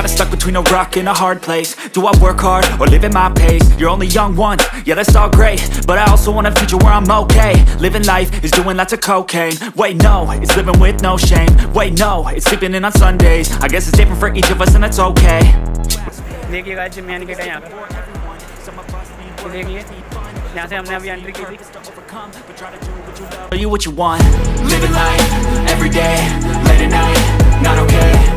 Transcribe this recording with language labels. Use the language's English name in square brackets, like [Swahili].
[English] Between a rock and a hard place, do I work hard or live at my pace? You're only young once, yeah, that's all great, but I also want a future where I'm okay. Living life is doing lots of cocaine. Wait, no, it's living with no shame. Wait, no, it's sleeping in on Sundays. I guess it's different for each of us and it's okay. [Hindi] देखिए guys ये main gate है यहां पर। देखिए यहां से हमने अभी एंट्री की थी। [English] Are you what you want? Living life every day, late at night, not okay.